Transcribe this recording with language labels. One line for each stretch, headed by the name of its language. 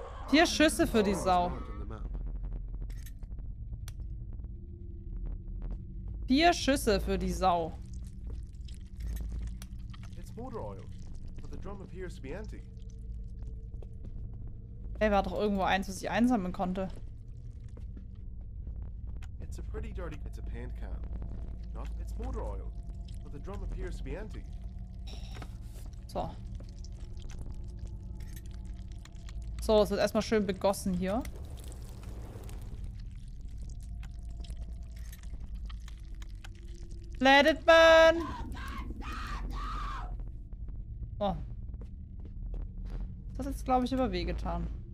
German: Vier Schüsse für die Sau. Vier Schüsse für die Sau.
English: It's motor oil, but the drum appears to be empty.
German: Ey, war doch irgendwo eins, was ich einsammeln konnte.
English: It's a pretty dirty, it's a paint can. Not it's motor oil, but the drum appears to be empty.
German: So. So, es wird erstmal schön begossen hier.
English: Let it burn!
German: Oh. Das hat jetzt, glaube ich, aber wehgetan.